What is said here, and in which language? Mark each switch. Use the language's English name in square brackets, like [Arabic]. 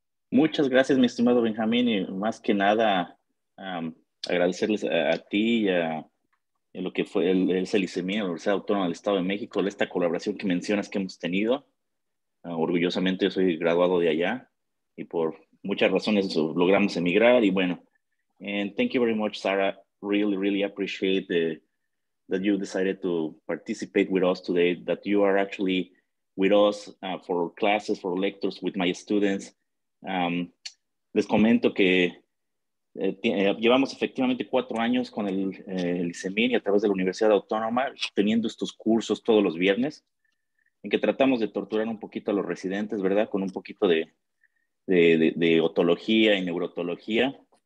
[Spanish] Muchas gracias, mi estimado Benjamín, y más que nada agradecerles a ti y a lo que fue el ICEMI, la Universidad Autónoma del Estado de México, esta colaboración que mencionas que hemos tenido. Orgullosamente yo soy graduado de allá y por muchas razones logramos emigrar y bueno. [English] And thank you very much, Sara. Really, really appreciate that you decided to participate with us today, that you are actually with us for classes, for lectures with my students. [Spanish] Les comento que llevamos efectivamente 4 años con el ICEMIN y a través de la Universidad Autónoma, teniendo estos cursos todos los viernes, en que tratamos de torturar un poquito a los residentes, ¿verdad? Con un poquito de otología y neurotología.